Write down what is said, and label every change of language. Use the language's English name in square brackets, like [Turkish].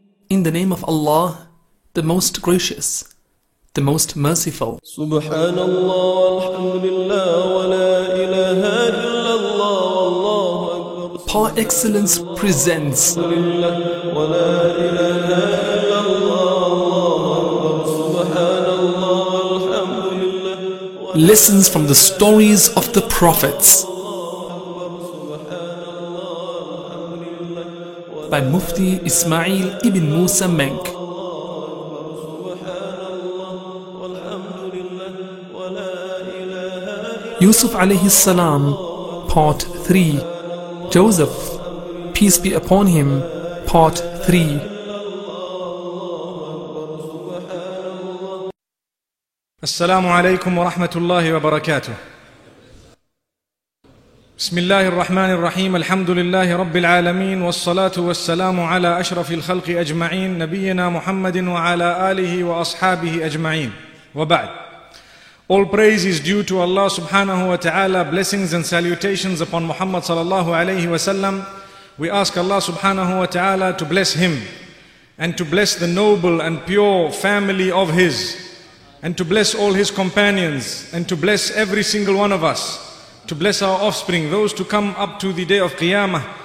[English] In the name of Allah, the most gracious, the most merciful. [Arabic] سبحان الله والحمد لله ولا إله إلا الله والله أكبر. [English] Par excellence presents. Lessons from the stories of the prophets by Mufti Ismail ibn Musa Menk. Yusuf alayhi salam, part 3. Joseph, peace be upon him, part 3. [Arabic] السلام عليكم ورحمة الله وبركاته. بسم الله الرحمن الرحيم. الحمد لله رب العالمين، والصلاة والسلام على أشرف الخلق أجمعين، نبينا محمد وعلى آله وأصحابه أجمعين. وبعد. [English] All praise is due to Allah سبحانه وتعالى. Blessings and salutations upon Muhammad صلى الله عليه وسلم. We ask Allah سبحانه وتعالى to bless him and to bless the noble and pure family of his, and to bless all his companions, and to bless every single one of us, to bless our offspring, those to come up to the day of Qiyamah.